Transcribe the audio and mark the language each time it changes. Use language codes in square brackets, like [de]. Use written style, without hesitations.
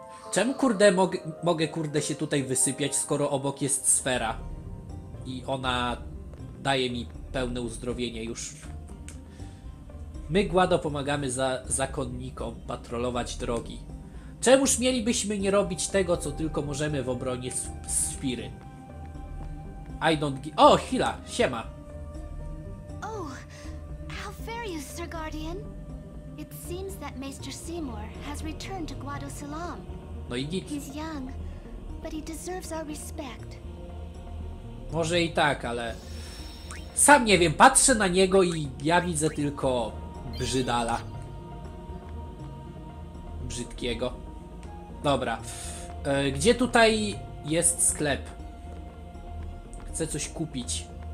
[pl] Czemu kurde mogę kurde się tutaj wysypiać, skoro obok jest sfera i ona daje mi pełne uzdrowienie już. My, Głado, pomagamy zakonnikom patrolować drogi. Czemuż mielibyśmy nie robić tego, co tylko możemy w obronie Sfiry? O, Hila, siema. [en] Oh, how fair you, Sir Guardian. It seems that Maester Seymour has returned to Guado Salam. [pl] No i git. [en] He's young, but he deserves our respect. [pl] Może i tak, ale... Sam nie wiem, patrzę na niego i ja widzę tylko... Brzydala. Brzydkiego. Dobra. Gdzie tutaj jest sklep? Chcę coś kupić.